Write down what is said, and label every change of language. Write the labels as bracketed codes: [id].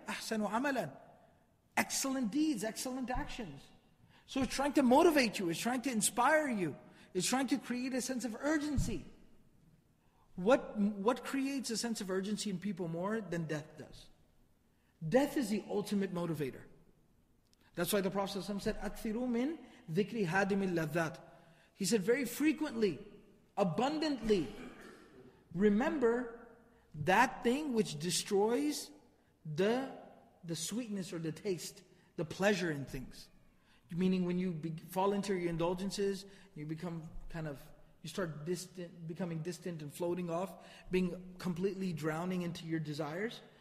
[ar] أَحْسَنُ عَمَلًا. [en] Excellent deeds, excellent actions. So it's trying to motivate you, it's trying to inspire you, it's trying to create a sense of urgency. What creates a sense of urgency in people more than death does? Death is the ultimate motivator. That's why the Prophet ﷺ said, [ar] أَكْثِرُوا مِنْ ذِكْرِ هَادِمِ اللَّذَّاتِ. [en] He said, very frequently, abundantly, remember that thing which destroys the sweetness or the taste, the pleasure in things. Meaning when you fall into your indulgences, you become kind of, you start distant, becoming distant and floating off, being completely drowning into your desires.